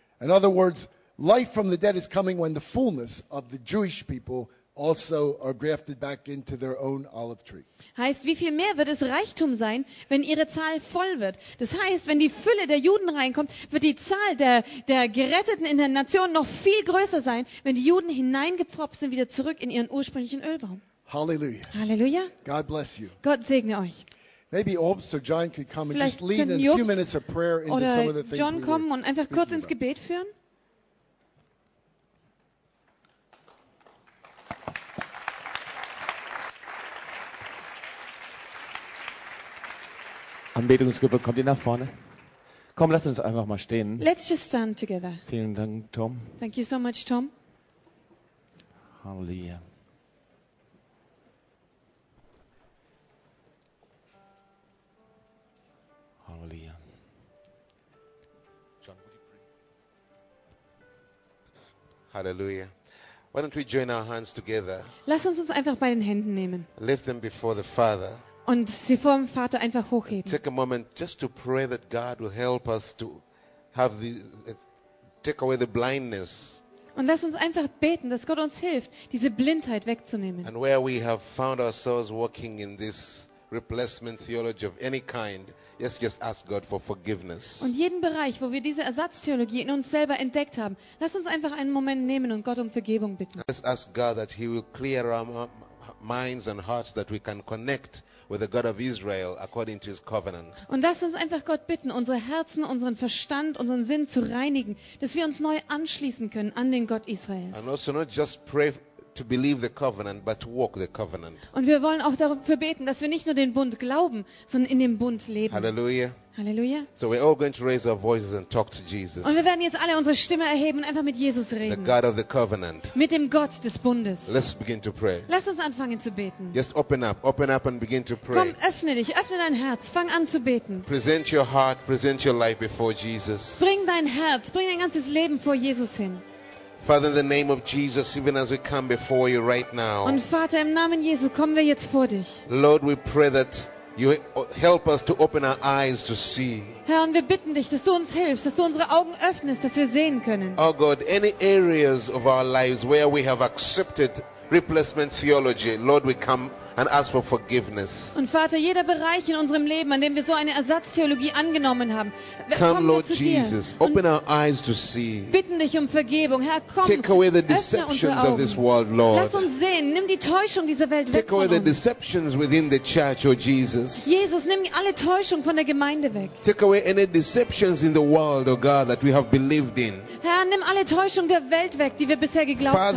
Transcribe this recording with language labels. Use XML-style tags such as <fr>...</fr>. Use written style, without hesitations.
<en>In other words, life from the dead is coming when the fullness of the Jewish people also are grafted back into their own olive tree.</en> <de>Heißt, wie viel mehr wird es Reichtum sein, wenn ihre Zahl voll wird? Das heißt, wenn die Fülle der Juden reinkommt, wird die Zahl der Geretteten in der Nation noch viel größer sein, wenn die Juden hineingepfropft sind wieder zurück in ihren ursprünglichen Ölbaum.</de> <en>Hallelujah.</en> <de>Halleluja.</de> <en>God bless you.</en> <de>Gott segne euch.</de> <en>Maybe Obst or John could come</en> <de>vielleicht</de> <en>and just lead in a few minutes of prayer into some of the things.</en> <de>Oder John kommen und einfach kurz ins Gebet führen. Anbetungsgruppe, kommt ihr nach vorne? Komm, lass uns einfach mal stehen.</de> <en>Let's just stand together.</en> <de>Vielen Dank, Tom.</de> <en>Thank you so much, Tom.</en> <de>Halleluja. Halleluja.</de> <en>John, would you pray? Halleluja. Why don't we join our hands together?</en> <de>Lass uns einfach bei den Händen nehmen.</de> <en>Lift them before the Father.</en> <de>Und sie vor dem Vater einfach hochheben.</de> <en>Take a moment just to pray that God will help us to have take away the blindness.</en> <de>Und lass uns einfach beten, dass Gott uns hilft, diese Blindheit wegzunehmen.</de> <en>And where we have found ourselves working in this replacement theology of any kind, yes, just ask God for forgiveness.</en> <de>Und jeden Bereich, wo wir diese Ersatztheologie in uns selber entdeckt haben, lass uns einfach einen Moment nehmen und Gott um Vergebung bitten.</de> <en>Let's ask God that He will clear our minds and hearts that we can connect with the God of Israel according to His covenant.</en> <de>Und lass uns einfach Gott bitten, unsere Herzen, unseren Verstand, unseren Sinn zu reinigen, dass wir uns neu anschließen können an den Gott Israels.</de> <en>And also not just pray to believe the covenant, but to walk the covenant.</en> <de>Und wir wollen auch dafür beten, dass wir nicht nur den Bund glauben, sondern in dem Bund leben.</de> <en>Halleluja.</en> <de>Halleluja.</de> <en>So we're all going to raise our voices and talk to Jesus.</en> <de>Und wir werden jetzt alle unsere Stimme erheben und einfach mit Jesus reden.</de> <en>The God of the covenant.</en> <de>Mit dem Gott des Bundes.</de> <en>Let's begin to pray.</en> <de>Lass uns anfangen zu beten.</de> <en>Just open up. Open up and begin to pray.</en> <de>Komm, öffne dich. Öffne dein Herz. Fang an zu beten.</de> <en>Present your heart. Present your life before Jesus.</en> <de>Bring dein Herz. Bring dein ganzes Leben vor Jesus hin.</de> <en>Father, in the name of Jesus, even as we come before you right now.</en> <de>Und Vater, im Namen Jesu, kommen wir jetzt vor dich.</de> <en>Lord, we pray that you help us to open our eyes to see.</en> <de>Herr, und wir bitten dich, dass du uns hilfst, dass du unsere Augen öffnest, dass wir sehen können.</de> <en>Oh God, any areas of our lives where we have accepted replacement theology, Lord, we come and ask for forgiveness.</en> <de>Und Vater, jeder Bereich in unserem Leben, an dem wir so eine Ersatztheologie angenommen haben,</de> <en>come, Lord Jesus, open our eyes to see.</en> <de>Bitten dich um Vergebung, Herr, komm.</de> <en>Take away the deceptions of this world, Lord.</en> <de>Lass uns sehen, nimm die Täuschung dieser Welt weg.</de> <en>Take away the deceptions within the church, oh Jesus.</en> <de>Jesus, nimm alle Täuschung von der Gemeinde weg.</de> <en>Take away any deceptions in the world, oh God, that we have believed in.</en> <de>Herr, nimm alle Täuschung der Welt weg, die wir bisher geglaubt haben.</de>